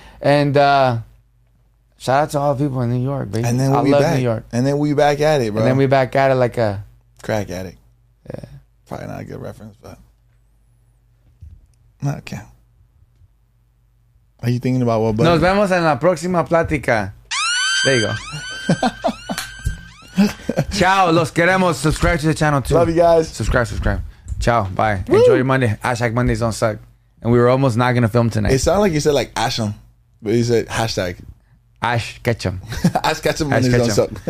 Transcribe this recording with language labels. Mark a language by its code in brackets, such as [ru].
[en] And shout out to all the people in New York, baby. And then we'll I be love back. New York. And then we'll be back at it, bro. And then we'll be back at it like a... crack addict. Yeah. Probably not a good reference, but... Okay. Are you thinking about what, buddy? [es] Nos vemos en la próxima plática. [en] There you go. [es] Ciao. Los queremos. [en] Subscribe to the channel, too. Love you guys. Subscribe. Ciao. Bye. Woo. Enjoy your Monday. Hashtag Mondays don't suck. And we were almost not going to film tonight. It sounded like you said, like, Ash'em. But you said hashtag. Ash Ketchum. Ash Ketchum Mondays don't suck.